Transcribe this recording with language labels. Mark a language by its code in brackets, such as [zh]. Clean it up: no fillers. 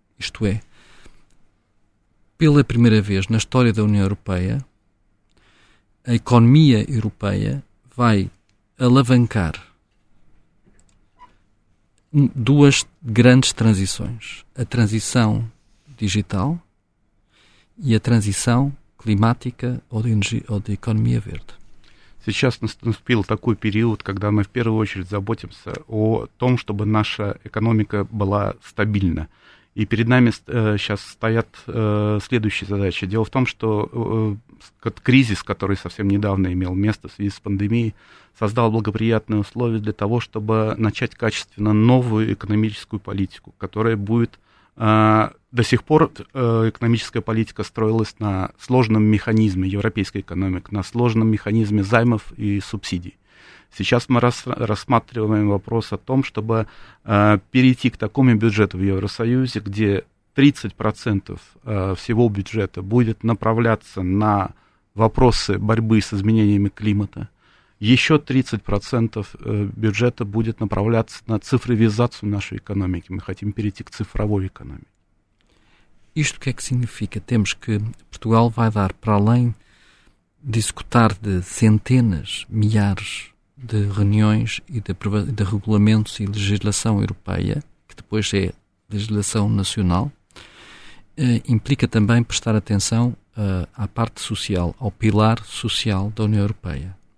[pt] Isto é, pela primeira vez na história da União Europeia, a economia europeia vai alavancar duas grandes transições, a transição digital e a transição climática ou de economia verde. [ru] Сейчас наступил такой период, когда мы в первую очередь заботимся о том, чтобы наша экономика была стабильна. И перед нами сейчас стоят следующие задачи. Дело в том, что кризис, который совсем недавно имел место в связи с пандемией, создал благоприятные условия для того, чтобы начать качественно новую экономическую политику, которая будет... До сих пор экономическая политика строилась на сложном механизме европейской экономики, на сложном механизме займов и субсидий. Сейчас мы рассматриваем вопрос о том, чтобы перейти к такому бюджету в Евросоюзе, где 30% всего бюджета будет направляться на вопросы борьбы с изменениями климата, еще 30% бюджета будет направляться на цифровизацию нашей экономики. Мы хотим перейти к цифровой экономике. [pt] Isto o que é que significa? Temos que Portugal vai dar, para além de executar de centenas, milhares de reuniões e de regulamentos e legislação europeia, que depois é legislação nacional, implica também prestar atenção à parte social, ao pilar social da União Europeia.